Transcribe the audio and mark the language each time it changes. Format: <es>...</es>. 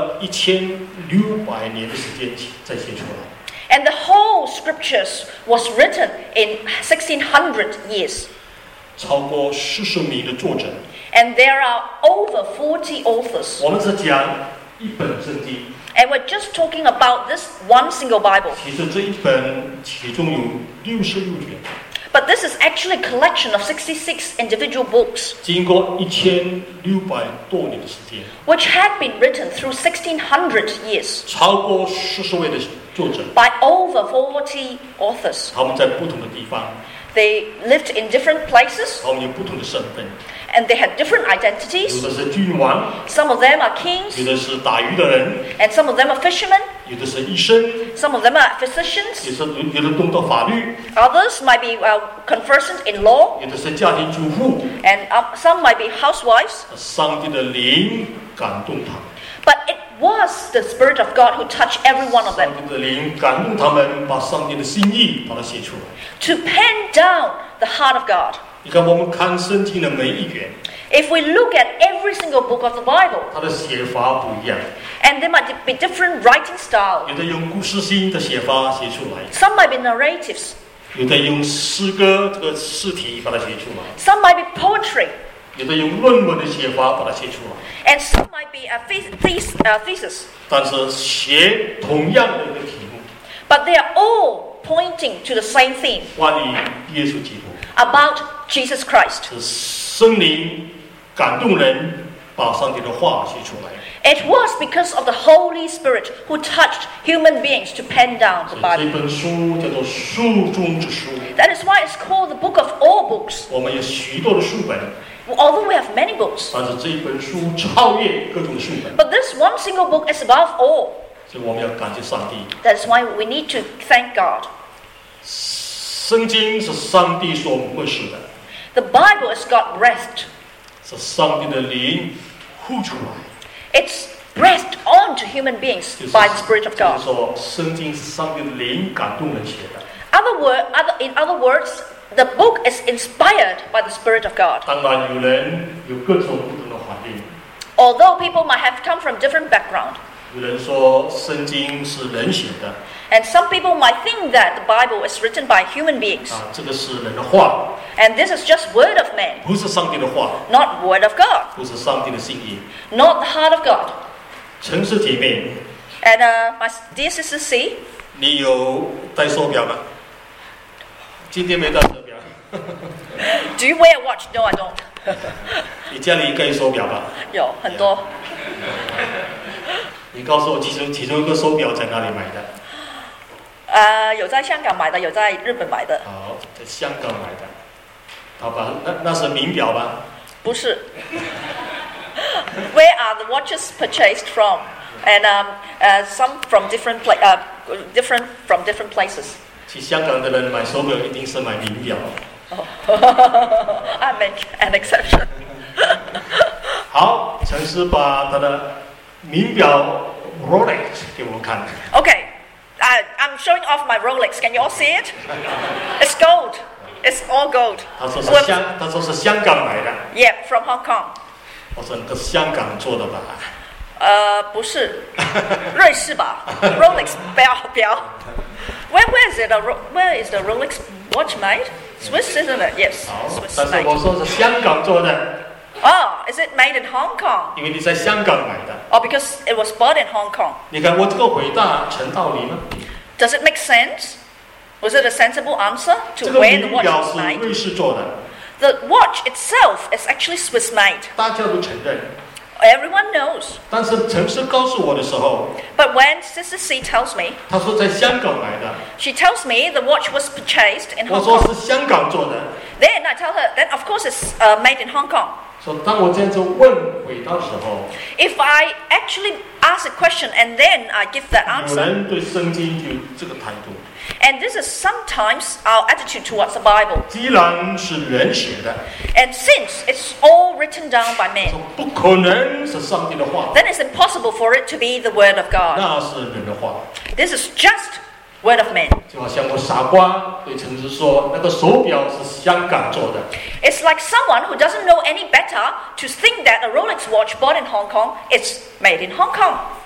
<zh>整本的圣经经过了1600年的时间再写出来。</zh> <en>And the whole scriptures was written in 1600 years.</en> <zh>超过40名的作者。</zh> <en>And there are over 40 authors.</en> <zh>我们只讲一本圣经。</zh> <en>And we're just talking about this one single Bible.</en> <zh>其实这一本其中有66卷。</zh> <en>But this is actually a collection of 66 individual books.</en> <zh>经过1600多年的时间。</zh> <en>Which had been written through 1600 years.</en> <zh>超过40位的作者。</zh> <en>By over 40 authors.</en> <zh>他们在不同的地方。</zh> <en>They lived in different places.</en> <zh>他们有不同的身份。</zh> <en>And they had different identities.</en> <zh>有的是君王,</zh> <en>some of them are kings.</en> <zh>有的是打鱼的人,</zh> <en>and some of them are fishermen.</en> <zh>有的是医生,</zh> <en>some of them are physicians.</en> <zh>有的懂得法律,</zh> <en>others might be conversant in law.</en> <zh>有的是家庭主妇,</zh> <en>and some might be housewives.</en> <zh>上帝的灵感动他,</zh> <en>but it was the Spirit of God who touched every one of them.</en> <zh>上帝的灵感动他们, 把上帝的心意把它写出来,</zh> <en>to pen down the heart of God.</en> <zh>你看我们看圣经的每一卷,</zh> <en>if we look at every single book of the Bible,</en> <zh>它的写法不一样,</zh> <en>and there might be different writing styles.</en> <zh>有的用故事性的写法写出来,</zh> <en>some might be narratives.</en> <zh>有的用诗歌这个诗体把它写出来,</zh> <en>some might be poetry.</en> <zh>有的用论文的写法把它写出来,</zh> <en>and some might be a thesis.</en> <zh>但是写同样的一个题目,</zh> <en>but they are all pointing to the same theme.</en> <zh>关于耶稣基督,</zh> <en>about Jesus Christ.</en> <zh>是圣灵感动人把上帝的话写出来。</zh> <en>It was because of the Holy Spirit who touched human beings to pen down the Bible.</en> <zh>这本书叫做书中之书。</zh> <en>That is why it's called the book of all books.</en> <zh>我们有许多的书本。</zh> <en>Although we have many books.</en> <zh>但是这本书超越各种的书本。</zh> <en>But this one single book is above all.</en> <zh>所以我们要感谢上帝。</zh> <en>That's why we need to thank God.</en> <zh>圣经是上帝所默示的。</zh> <en>The Bible is God's breath.</en> <zh>是上帝的灵呼出来。</zh> <en>It's breathed onto human beings by the Spirit of God.</en> <zh>就是说，圣经是上帝的灵感动人写的。</zh> <en>In other words, the book is inspired by the Spirit of God.</en> <zh>当然，有人有各种不同的反应。</zh> <en>Although people might have come from different background.</en> <zh>有人说圣经是人写的。</zh> <en>And some people might think that the Bible is written by human beings.</en> <zh>啊，这个是人的话。</zh> <en>And this is just word of man.</en> <zh>不是上帝的话。</zh> <en>Not word of God.</en> <zh>不是上帝的心意。</zh> <en>Not the heart of God.</en> <zh>诚实姐妹。</zh> <en>And my dear sister C.</en> <zh>你有戴手表吗？今天没戴手表。</zh> <en>Do you wear a watch? No, I don't.</en> <zh>你家里应该有手表吧？有很多。你告诉我，其中一个手表在哪里买的？有在香港买的，有在日本买的。好，在香港买的，好吧，那是名表吧？不是。</zh> <en>Where are the watches purchased from? And some from different place, different from different places.</en> <zh>去香港的人买手表一定是买名表。</zh> <en>I make an exception.</en> <zh>好，陈师把他的名表 Rolex 给我看。</zh> <en>Okay, I'm showing off my Rolex. Can you all see it? It's gold. It's all gold.</en> <zh>他说是香港买的。</zh> <en>Yeah, from Hong Kong.</en> <zh>我说你是香港做的吧？不是，瑞士吧 ？Rolex 表。</zh> <en>Where is the Rolex watch made? Swiss, isn't it? Yes. Swiss made.</en> <zh>但是我说是香港做的。</zh> <en>Oh, is it made in Hong Kong?</en> <zh>因为你在香港买的。</zh> <en>Oh, because it was bought in Hong Kong.</en> <zh>你看我这个回答成道理吗</zh> <en>？Does it make sense? Was it a sensible answer to where the watch was made?</en> <zh>这个名表是瑞士做的。</zh> <en>The watch itself is actually Swiss made.</en> <zh>大家都承认。</zh> <en>Everyone knows.</en> <zh>但是陈师告诉我的时候</zh> <en>，But when Sister C tells me,</en> <zh>她说在香港买的。</zh> <en>She tells me the watch was purchased in Hong Kong.</en> <zh>我说是香港做的。</zh> <en>Then I tell her, then of course it's made in Hong Kong.</en> <zh>所以当我这样子问回答时候</zh> <en>，If I actually ask a question and then I give that answer,</en> <zh>有人对圣经有这个态度。</zh> <en>And this is sometimes our attitude towards the Bible.</en> <zh>既然是人写的</zh> <en>，And since it's all written down by men,</en> <zh>不可能是上帝的话。</zh> <en>Then it's impossible for it to be the word of God.</en> <zh>那是人的话。</zh> <en>This is just word of men.</en> <zh>就好像我傻瓜对陈志说，那个手表是香港做的。</zh> <en>It's like someone who doesn't know any better to think that a Rolex watch bought in Hong Kong is made in Hong Kong.</en>